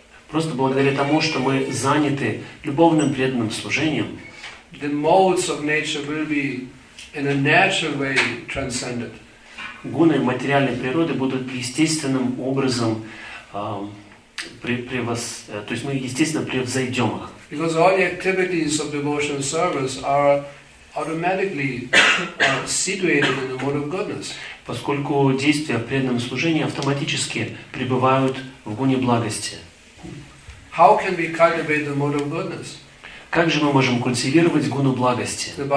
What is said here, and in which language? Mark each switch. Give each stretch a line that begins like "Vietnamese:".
Russian: Просто благодаря тому, что мы заняты любовным преданным служением,
English: the modes of nature will be in a natural way transcended.
Russian: Гуны материальной природы будут естественным образом то есть мы естественно превзойдем их.
English: Because all the activities of devotional service are automatically situated in the mode of goodness.
Russian: Поскольку действия в преданном служении автоматически пребывают в гуне благости.
English: How can we cultivate the mode of goodness?
Russian: Как же мы можем культивировать гуну благости?